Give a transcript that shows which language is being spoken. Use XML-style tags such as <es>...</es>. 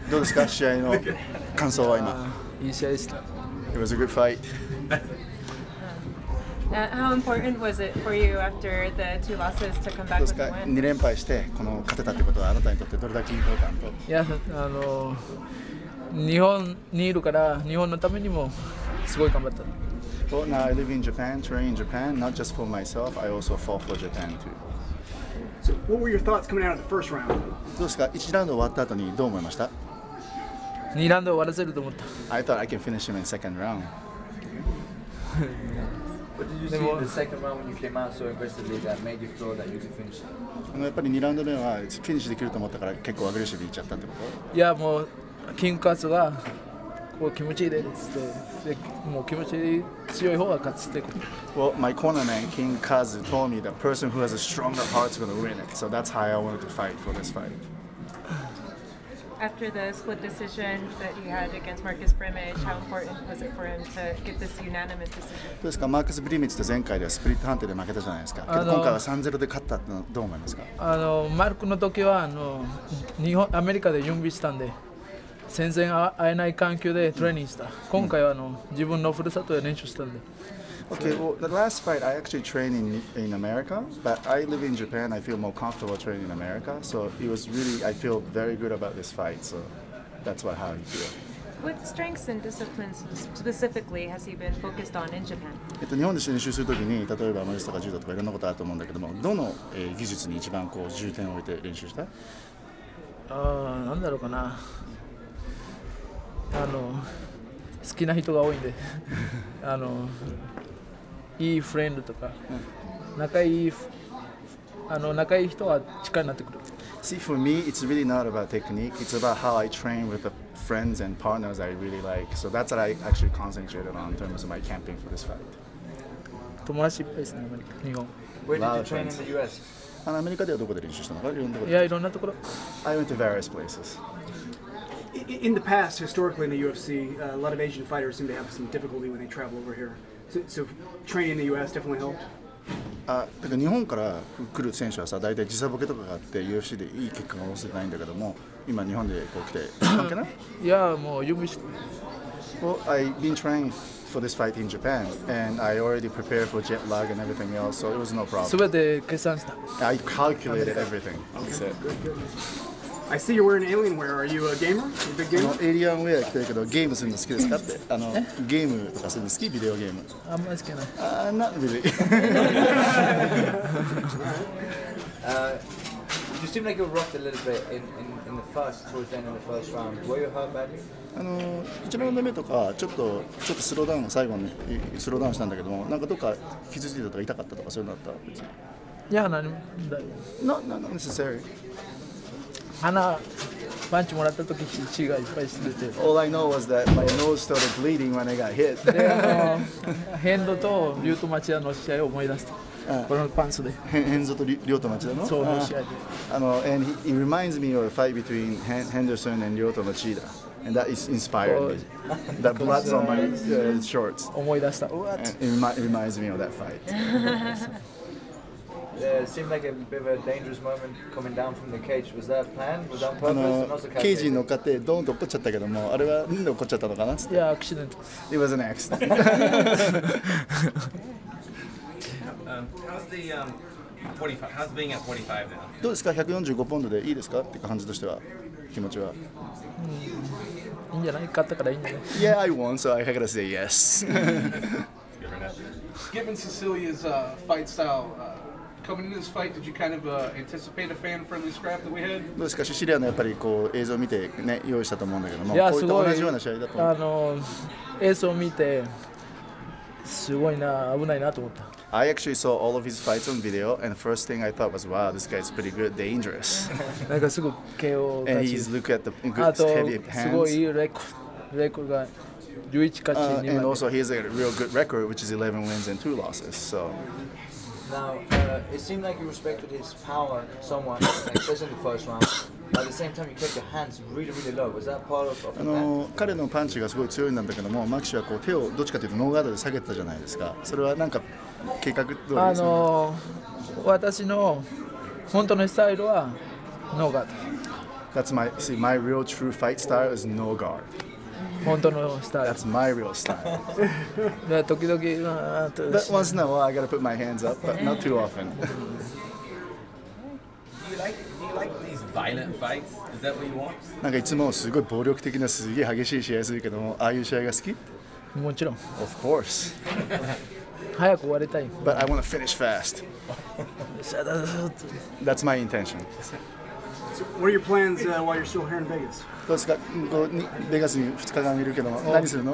<ja>どうですか試合の感想は今。いい試合でした。</ja> <en>It was a good fight. How important was it for you after the two losses to come back with a win?</en> <ja>2連敗してこの勝てたってことはあなたにとってどれだけ important？いや、日本にいるから日本のためにもすごい頑張った。</ja> <en>Well, now I live in Japan, train in Japan, not just for myself, I also fought for Japan too. So, what were your thoughts coming out of the first round?</en> <ja>どうですか ?1 ラウンド終わった後にどう思いました ?2 ラウンド終わらせると思った。</ja> <en>I thought I can finish him in second round. What did you see in the second round when you came out so aggressively that made you feel that you could finish him?</en> <ja>やっぱり2ラウンド目はフィニッシュできると思ったから結構アグレッシブにいっちゃったってこと？いや、もうキングカズは。もう気持ちいいですで、もう気持ちいい強い方が勝つってこと。</ja> <en>Well, my corner man, King Kazu, told me the person who has a stronger heart is going to win it. So that's how I wanted to fight for this fight. After the split decision that he had against Marcus Brimage, how important was it for him to get this unanimous decision?</en> <ja>どうですか、マーカス・ブリミッジと前回ではスプリット判定で負けたじゃないですか。けど今回は 3-0 で勝ったってどう思いますか？マルクの時は日本アメリカで準備したんで。全然会えない環境でトレーニングした。今回は自分のふるさとで練習したんで。</ja> <en>Okay, well, the last fight I actually trained in America, but I live in Japan. I feel more comfortable training in America. So it was really, I feel very good about this fight. So that's what how I feel. What strengths and disciplines specifically has he been focused on in Japan?</en> <ja>日本で練習するときに、例えばマルスとか柔道とかいろんなことあると思うんだけども、どの技術に一番こう重点を置いて練習した？なんだろうかな。好きな人が多いんで、いいフレンドとか、仲いい人は力になってくる。</ja> <en>See, for me, it's really not about technique. It's about how I train with the friends and partners I really like. So that's what I actually concentrated on in terms of my camping for this fight.</en> <ja>友達いっぱいですね、日本。</ja> <en>Where did you train in the US?</en> <ja>アメリカではどこで練習したのか？いろんなところ。</ja> <en>I went to various places. In the past, historically in the UFC, a lot of Asian fighters seem to have some difficulty when they travel over here. So training in the US definitely helped.</en> <ja>だから日本から来る選手はさ、大体時差ボケとかがあって UFC でいい結果が残せてないんだけども、今日本でこう来て関係ない？いや、もう準備して。</ja> <en>Well, I've been training for this fight in Japan, and I already prepared for jet lag and everything else, so it was no problem.</en> <ja>全て計算した。</ja> <en>I calculated everything. Okay. I see you're wearing Alienware. Are you a gamer? You a big gamer?</en> <ja>Alienware 着てるけど、ゲームするの好きですかって。ゲームとかするの好き？ビデオゲーム。あんまり好きない。</ja> <en>Not really. You seem like you were rocked a little bit in the first, towards the end of the first round. Were you hurt badly?</en> <ja>1ラウンド目とか、ちょっとスローダウン、最後にスローダウンしたんだけども、なんかどっか傷ついたとか痛かったとかそういうのあった？別に。いや、何も。</ja> <en>Not necessary.</en> <ja>鼻パンチもらった時血がいっぱいしてて。</ja> <en>All I know was that my nose started bleeding when I got hit.</en> <ja>ヘンゾとリュウト町田の試合を思い出した。このパンツで。ヘンゾとリュウト町田の？そう、の試合で。</ja> <en>And it reminds me of a fight between Henderson and リュウト町田。 And that is inspired me. That blood's on my shorts.</en> <ja>思い出した。</ja> <en>It reminds me of that fight. Seemed like a bit of a dangerous moment coming down from the cage. Was that planned? Was that purpose?</en> <ja>ケージに乗っかってドーンと落っこっちゃったけども、あれはなんで落っこっちゃったのかなって。いや、アクシデント。</ja> <en>It was an accident. How's being at 45 now?</en> <ja>どうですか ?145 ポンドでいいですかって感じとしては、気持ちは。いいんじゃない勝ったからいいんじゃない</ja> <en>Yeah, I won, so I gotta say yes. Given Cecilia's fight style,Coming into this fight, did you kind of anticipate a fan-friendly scrap that we had?</en> <ja>どうですか、シシリアのやっぱりこう映像を見てね用意したと思うんだけども、こういった同じような試合だと思う。映像を見てすごいな、危ないなと思った。</ja> <en>I actually saw all of his fights on video, and the first thing I thought was, wow, this guy is pretty good, dangerous.</en> <ja>なんかすごい KO。</ja> <en>And he's look at the good heavy hands.</en> <ja>あとすごいいいレコードが。</ja> <en>And also, he has a real good record, which is 11 wins and 2 losses. So. Now, it seemed like you respected his power somewhat, especially in the first round. But at the same time, you kept your hands really, really low. Was that part of the plan?</en> <ja>彼のパンチがすごい強いんだけども、マキシはこう手をどっちかというとノーガードで下げたじゃないですか。それはなんか計画通りですか？私の本当のスタイルはノーガード。</ja> <en>That's my, see, my real true fight style is no guard.</en> <ja>本当のスタイル。</ja> <en>That's my real style.</en> <ja>時々、</ja> <en>But once in a while, I gotta put my hands up, but not too often. Do you like these violent fights? Is that what you want?</en> <ja>なんかいつもすごい暴力的なすげえ激しい試合するけども、ああいう試合が好き？もちろん。</ja> <en>Of course.</en> <ja>早く終わりたい。</ja> <en>But I want to finish fast. That's my intention. So what are your plans while you're still here in Vegas?</en> <ja>どうですか？こうにベガスに2日間いるけども、何するの？</ja>